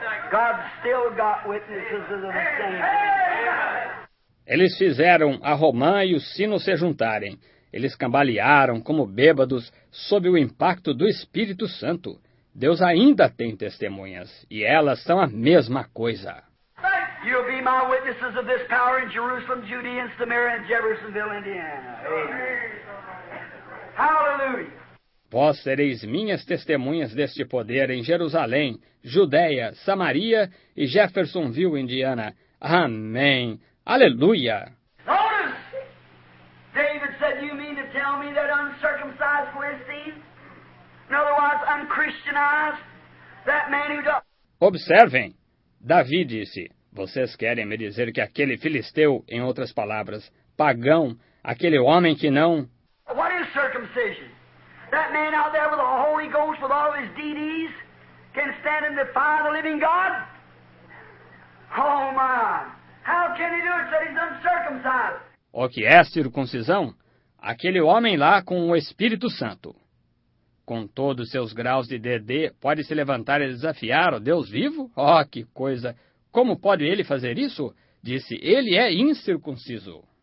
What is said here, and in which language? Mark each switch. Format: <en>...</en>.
<en>God still got witnesses of the same.</en> <pt>Eles fizeram a romã e o sino se juntarem. Eles cambalearam como bêbados sob o impacto do Espírito Santo. Deus ainda tem testemunhas, e elas são a mesma coisa.</pt> <en>You'll be my witnesses of this power in Jerusalem, Judea, and Samaria, and Jeffersonville, Indiana. Amen. Hallelujah.</en> <pt>Vós sereis minhas testemunhas deste poder em Jerusalém, Judeia, Samaria e Jeffersonville, Indiana. Amém. Aleluia.</pt> <en>Notice! David said, you mean to tell tell me that uncircumcised Philistines, in other words, unchristianized, that man who does.</en> <pt>Observem, Davi disse, vocês querem me dizer que aquele filisteu, em outras palavras, pagão, aquele homem que não...</pt> <en>What is circumcision? That man out there with the Holy Ghost, with all his DDs, can stand and defy the living God? Oh, my! How can he do it? Said he's uncircumcised.</en> <pt>O que é circuncisão? Aquele homem lá com o Espírito Santo. Com todos seus graus de DD, pode se levantar e desafiar o Deus vivo? Oh, que coisa! Como pode ele fazer isso? Disse, ele é incircunciso.</pt>